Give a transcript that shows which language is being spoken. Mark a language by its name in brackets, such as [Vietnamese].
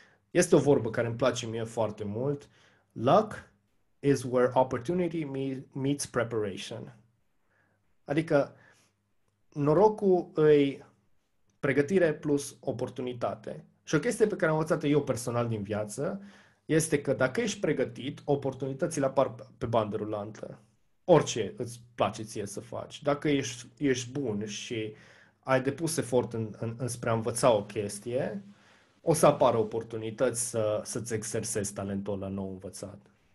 [Romanian] Este o vorbă care îmi place mie foarte mult. [English] Luck is where opportunity meets preparation. [Romanian] Adică norocul îi pregătire plus oportunitate. Și o chestie pe care am învățat eu personal din viață este că dacă ești pregătit, oportunitățile apar pe bandă rulantă. Orice îți place ție să faci. Dacă ești bun și ai depus efort în spre a învăța o chestie, o să apară oportunități să-ți exersezi talentul ăla nou învățat.